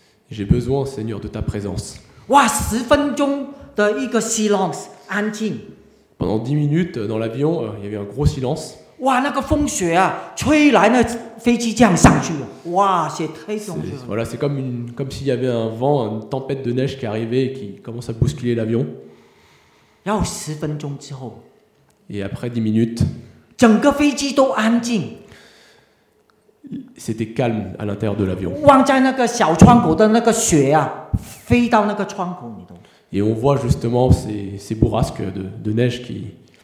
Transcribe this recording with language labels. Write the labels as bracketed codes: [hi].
[fr] J'ai besoin, Seigneur, de ta présence. 10 minutes de silence. [zh] 安静。 [fr] Pendant 10 minutes dans l'avion, il y avait un gros silence. [zh] 哇，那个风雪啊，吹来那飞机这样上去了。 [fr] 哇，c'est très dangereux. Voilà, c'est comme s'il y avait un vent, une tempête de neige qui arrivait et qui commence à bousculer l'avion. [zh] 然后十分钟之后。 [fr] Et après 10 minutes. [zh] 整个飞机都安静。 [fr] C'était calme à l'intérieur de l'avion. [zh] 望在那个小窗口的那个雪啊，飞到那个窗口里头。 [fr] Et on voit justement ces bourrasques de neige qui